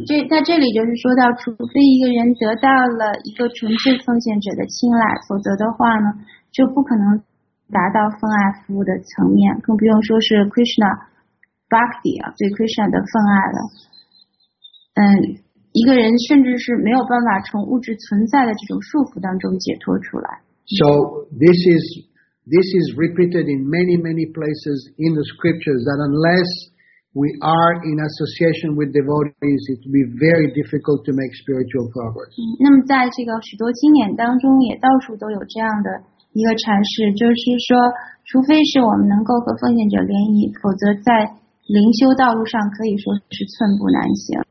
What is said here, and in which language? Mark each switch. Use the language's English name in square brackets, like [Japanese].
[Chinese] 在这里就是说到，除非一个人得到了一个纯粹奉献者的青睐，否则的话呢，就不可能达到奉爱服务的层面，更不用说是 Krishna bhakti 啊，对 Krishna 的奉爱了。一个人甚至是没有办法从物质存在的这种束缚当中解脱出来。 [English] So this is repeated in many many places in the scriptures that unless we are in association with devotees, it will be very difficult to make spiritual progress. [Chinese] 那么在这个许多经典当中也到处都有这样的一个阐释，就是说，除非是我们能够和奉献者联谊，否则在灵修道路上可以说是寸步难行。